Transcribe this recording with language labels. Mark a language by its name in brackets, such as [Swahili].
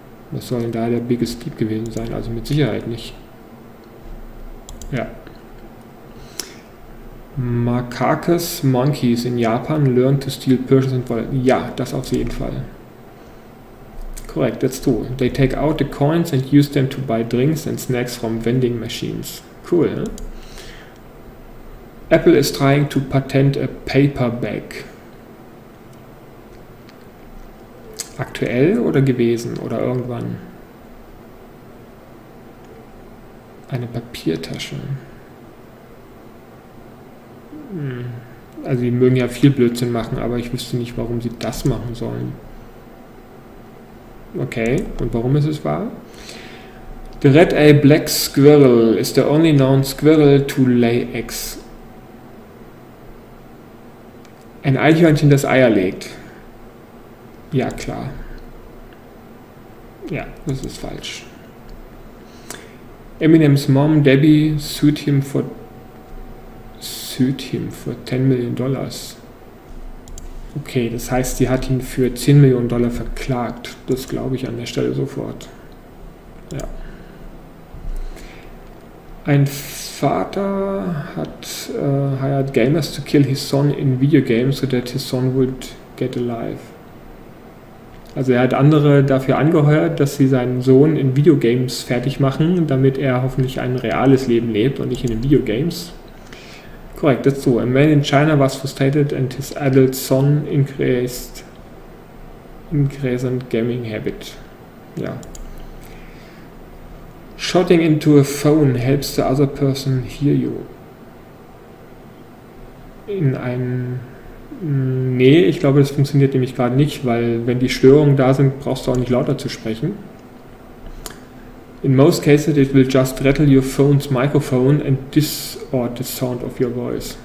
[German] Was soll denn da der [English] biggest leap [German] gewesen sein? Also mit Sicherheit nicht. Ja. [English] Macaques Monkeys in Japan learn to steal purses and wallets. [German] Ja, das auf jeden Fall. Korrekt, [English] that's true. They take out the coins and use them to buy drinks and snacks from vending machines. Cool, eh? Apple is trying to patent a paper bag. [German] Aktuell oder gewesen oder irgendwann? Eine Papiertasche. Also, die mögen ja viel Blödsinn machen, aber ich wüsste nicht, warum sie das machen sollen. Okay, und warum ist es wahr? The red-eyed black squirrel is the only known squirrel to lay eggs. Ein Eichhörnchen, das Eier legt. Ja, klar. Ja, das ist falsch. [English] Eminems Mom, Debbie, sued him for 10 Millionen Dollars. [German] Okay, das heißt, sie hat ihn für 10 Millionen Dollar verklagt. Das glaube ich an der Stelle sofort. Ja. Ein Vater hat [English] hired gamers to kill his son in video games so that his son would get alive. [German] Also er hat andere dafür angeheuert, dass sie seinen Sohn in Videogames fertig machen, damit er hoffentlich ein reales Leben lebt und nicht in den Videogames. [English] Korrekt, that's true. A man in China was frustrated and his adult son increased gaming habit. Ja. Shouting into a phone helps the other person hear you. [German] In einem... Nee, ich glaube, das funktioniert nämlich gerade nicht, weil wenn die Störungen da sind, brauchst du auch nicht lauter zu sprechen. [English] In most cases it will just rattle your phone's microphone and distort the sound of your voice.